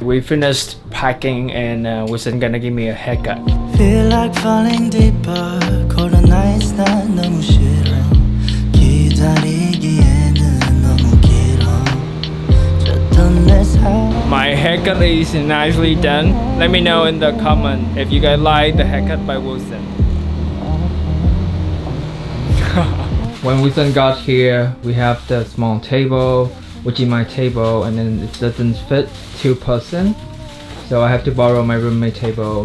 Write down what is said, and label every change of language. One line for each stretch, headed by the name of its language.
English: We finished packing and Wilson gonna give me a haircut. Feel like falling deeper. Cold and ice,
Korean: 난 너무 싫어. 기다리기에는 너무 길어. 좋던 내 삶.
English: My haircut is nicely done. Let me know in the comment if you guys like the haircut by Wilson. When Wilson got here, we have the small table, which is my table, and then it doesn't fit 2 person, so I have to borrow my roommate table.